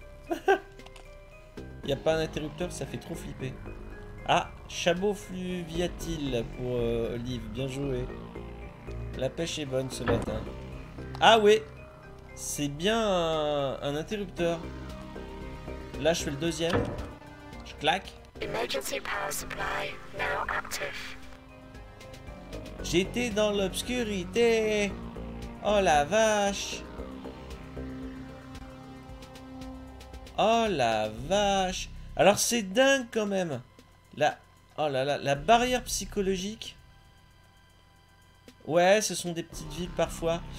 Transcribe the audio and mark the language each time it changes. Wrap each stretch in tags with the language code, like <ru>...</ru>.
<fr>Il n'y a pas d'interrupteur, ça fait trop flipper. Ah, chabot fluviatile pour Olive, bien joué. La pêche est bonne ce matin. Ah oui, c'est bien un interrupteur. Là, je fais le deuxième. Je claque.</fr> <en>Emergency power supply now active.</en> <fr>J'étais dans l'obscurité. Oh la vache. Oh la vache. Alors c'est dingue quand même. Oh là là, la barrière psychologique. Ouais, ce sont des petites villes parfois.</fr>